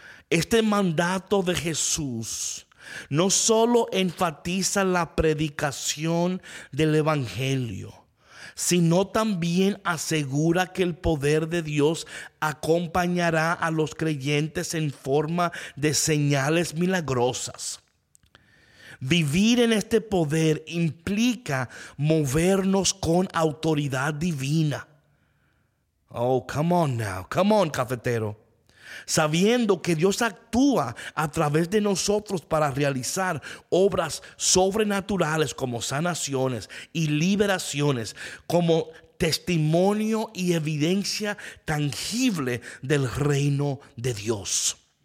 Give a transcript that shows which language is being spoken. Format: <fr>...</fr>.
<es>Este mandato de Jesús no solo enfatiza la predicación del evangelio, sino también asegura que el poder de Dios acompañará a los creyentes en forma de señales milagrosas. Vivir en este poder implica movernos con autoridad divina.</es> <en>Oh, come on now, come on, cafetero.</en> <es>Sabiendo que Dios actúa a través de nosotros para realizar obras sobrenaturales como sanaciones y liberaciones, como testimonio y evidencia tangible del reino de Dios.</es>